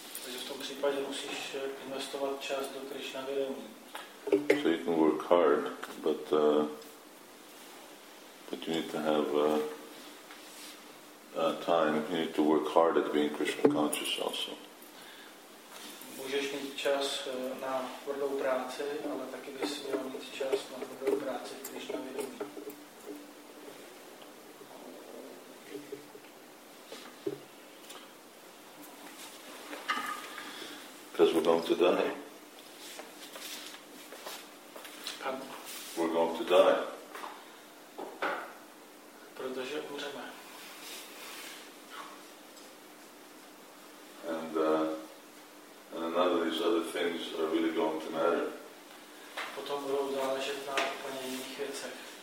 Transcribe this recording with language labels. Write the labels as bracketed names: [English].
[Czech] V tom případě musíš investovat čas do Krishna vědomí. [English] So you can work hard, but you need to have time. You need to work hard at being Krishna conscious also. [Czech] Můžeš mít čas na tvrdou práci, ale taky bys měl mít čas na tvrdou práci v Krishna vědomí. [English] Because we're going to die. Pardon? We're going to die. [Czech] Protože umřeme. [English] And none of these other things are really going to matter. [Czech] Potom budou záležet na úplně jiných věcech.